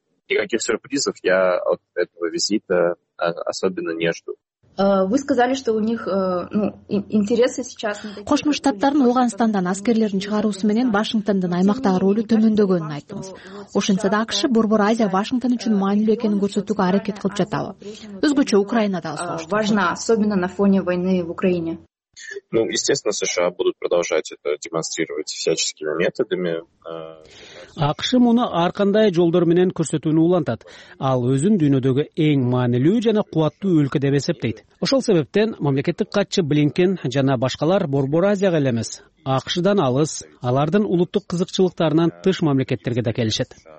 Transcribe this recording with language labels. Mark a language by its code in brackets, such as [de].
[ru] Никаких сюрпризов я от этого визита особенно не жду. Вы сказали, что у них интересы сейчас... [ky] Кошмо Штаттардын Ауганстандан аскерлерин чыгаруусу менен Вашингтондун аймактагы ролу төмөндөгөнүн айттыңыз. Ошентсе да АКШ Борбор Азия Вашингтон үчүн маанилүү экенин көрсөтүүгө аракет кылып жатабы? Өзгөчө Украинада согуш. [ru] Важна, особенно на фоне войны в Украине. Ну, естественно, США будут продолжать это демонстрировать всяческими методами. [ky] АКШ муну ар кандай жолдор менен көрсөтүүнү улантат. Ал өзүн дүйнөдөгү эң маанилүү жана кубаттуу өлкө деп эсептейт. Ошол себептен мамлекеттик катчы Блинкен жана башкалар Борбор Азияга эле эмес, АКШдан алыс, алардын улуттук кызыкчылыктарынан тыш мамлекеттерге да келишет.